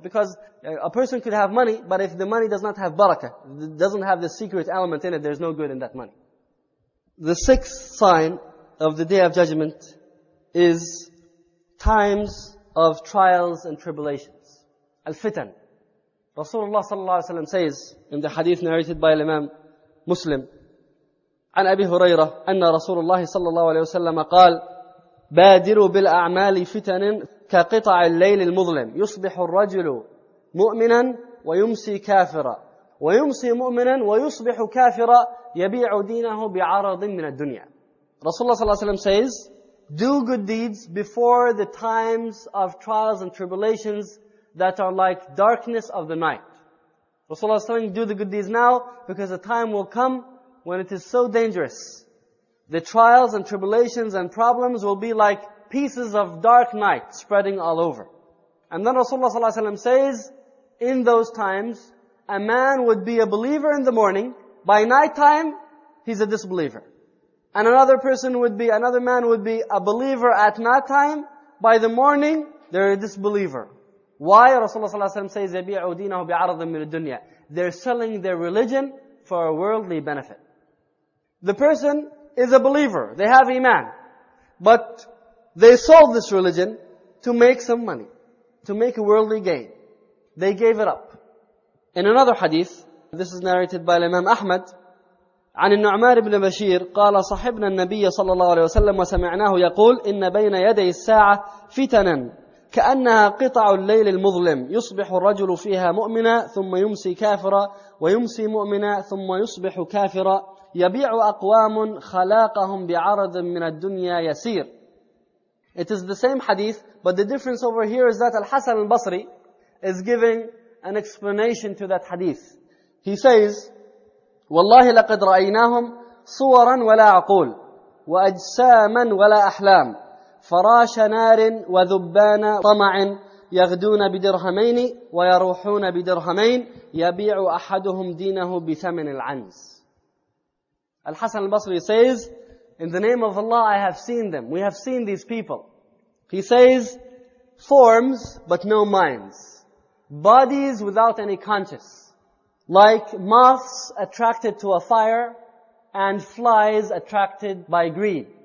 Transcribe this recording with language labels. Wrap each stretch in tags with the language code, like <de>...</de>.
<en>Because a person could have money, but if the money does not have barakah, doesn't have the secret element in it, there's no good in that money. The sixth sign of the Day of Judgment is times of trials and tribulations. Al-fitan.</en> <ar>Rasulullah sallallahu alayhi wa sallam</ar> <en>says in the hadith narrated by Imam Muslim,</en> <ar>عن أبي هريرة أن رسول الله صلى الله عليه وسلم قال بادروا بالأعمال فتن كقطع الليل المظلم يصبح الرجل مؤمنا ويمسي كافرا ويمسي مؤمنا ويصبح كافرا يبيع دينه بعرض من الدنيا. رسول الله صلى الله عليه وسلم</ar> <en>says, do good deeds before the times of trials and tribulations that are like darkness of the night. Rasulullah is telling, do the good deeds now because the time will come when it is so dangerous. The trials and tribulations and problems will be like pieces of dark night spreading all over. And then Rasulullah ﷺ says, in those times, a man would be a believer in the morning. By night time, he's a disbeliever. And another man would be a believer at night time. By the morning, they're a disbeliever. Why?</en> <ar>Rasulullah ﷺ says, يَبِيعُ دِينَهُ بِعَرَضٍ مِنَ الدُّنْيَا.</ar> <en>They're selling their religion for a worldly benefit. The person is a believer. They have iman. But they sold this religion to make some money. To make a worldly gain. They gave it up. In another hadith, this is narrated by Imam Ahmad,</en> <ar>عن النعمار بن بشير قال صحبنا النبي صلى الله عليه وسلم وسمعناه يقول إن بين يدي الساعة فتنا كأنها قطع الليل المظلم يصبح الرجل فيها مؤمنا ثم يمسي كافرا ويمسي مؤمنا ثم يصبح كافرا يبيع أقوام خلاقهم بعرض من الدنيا يسير.</ar> <en>It is the same hadith, but the difference over here is that Al-Hasan al-Basri is giving an explanation to that hadith. He says,</en> <ar>والله لقد رأيناهم صورا ولا عقول وأجساما ولا أحلام فراش نار وذبان طمع يغدون بدرهمين ويروحون بدرهمين يبيع أحدهم دينه بثمن العنز.</ar> <en>Al-Hasan al-Basri says, in the name of Allah, I have seen them. We have seen these people. He says, forms, but no minds. Bodies without any conscience. Like moths attracted to a fire and flies attracted by greed.</en>